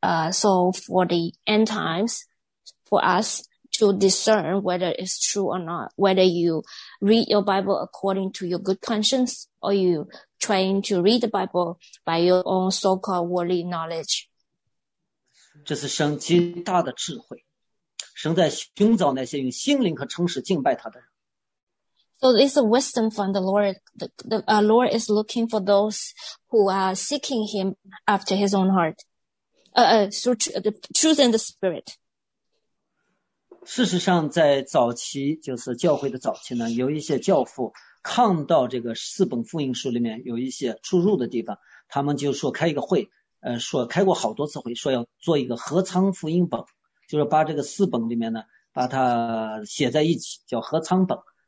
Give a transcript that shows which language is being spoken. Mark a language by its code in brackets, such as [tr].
[en] So for the end times, for us to discern whether it's true or not, whether you read your Bible according to your good conscience or you trying to read the Bible by your own so-called worldly knowledge. [zh] 这是神极大的智慧。神在寻找那些用心灵和诚实敬拜他的人。 [en] So it's a wisdom from the Lord. The Lord is looking for those who are seeking him after his own heart. The truth and the spirit. [zh] 事实上在早期，就是教会的早期呢，有一些教父看到这个四本福音书里面有一些出入的地方，他们就说开一个会，说开过好多次会，说要做一个合仓福音本，就是把这个四本里面呢，把它写在一起，叫合仓本。